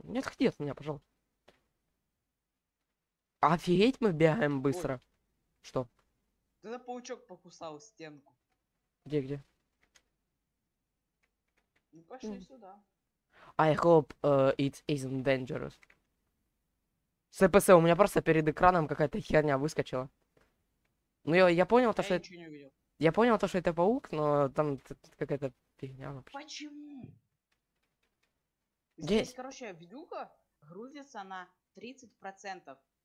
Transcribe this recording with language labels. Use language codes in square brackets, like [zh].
[ru] Не отходи от меня, пожалуйста. Офигеть, мы бегаем быстро. Ой. Что? Тогда паучок покусал стенку. Где, где? Ну, пошли сюда. [en] I hope it isn't dangerous. [ru] СПС, у меня просто перед экраном какая-то херня выскочила. Ну, я понял то, что... Я ничего не увидел. Я понял то, что это паук, но там какая-то фигня вообще. Почему? Здесь, есть. Короче, видюха грузится на 30%.